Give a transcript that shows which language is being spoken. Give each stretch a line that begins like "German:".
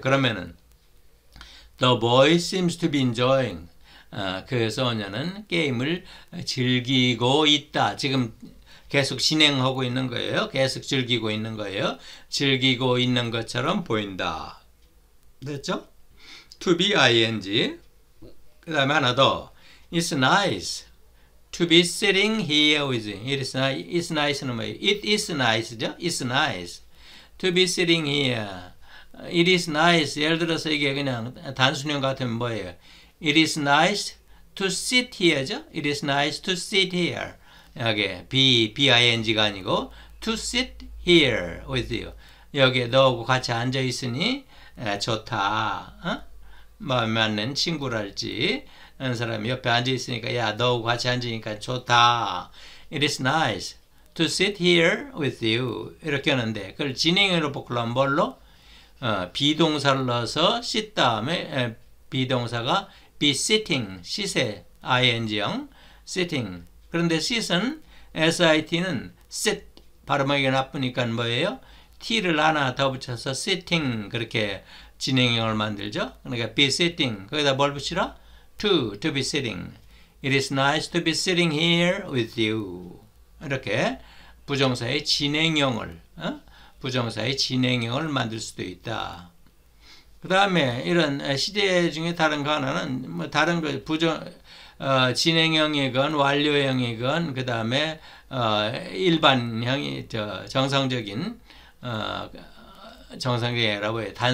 Korean: 그러면은
English: The boy seems to be enjoying.
Korean: 그 소녀는 게임을 즐기고 있다. 지금 계속 진행하고 있는 거예요. 계속 즐기고 있는 거예요. 즐기고 있는 것처럼 보인다. 됐죠? To be ing. 그 다음에 하나 더.
English: It's nice to be sitting here with you. It's nice는
Korean: 뭐예요?
English: It is nice죠? It's nice to be sitting here. It is nice.
Korean: 예를 들어서 이게 그냥 단순형 같으면 뭐예요?
English: It is nice to sit here죠? It is nice to sit here. 여기 B-I-N-G
Korean: 가 아니고
English: to sit here with you.
Korean: 여기에 너하고 같이 앉아있으니 좋다. 마음에 맞는 친구랄지 그런 사람이 옆에 앉아있으니까 야 너하고 같이 앉으니까 좋다.
English: It is nice to sit here with you.
Korean: 이렇게 하는데 그걸 진행으로 바꾸려면 뭘로? 비동사를 넣어서 sit 다음에 비동사가 be sitting, 시세, ing형, sitting. 그런데 sit은, sit는 sit, 발음하기가 나쁘니까 뭐예요? t를 하나 더 붙여서 sitting, 그렇게 진행형을 만들죠. 그러니까 be sitting, 거기다 뭘 붙이라? to be sitting.
English: It is nice to be sitting here with you.
Korean: 이렇게 부정사의 진행형을, 부정사의 진행형을 만들 수도 있다. 그 다음에 이런 시제 중에 다른 거 하나는 뭐 다른 거 부정 진행형이건 완료형이건 그 다음에 일반형이 저 정상적이라고 해요.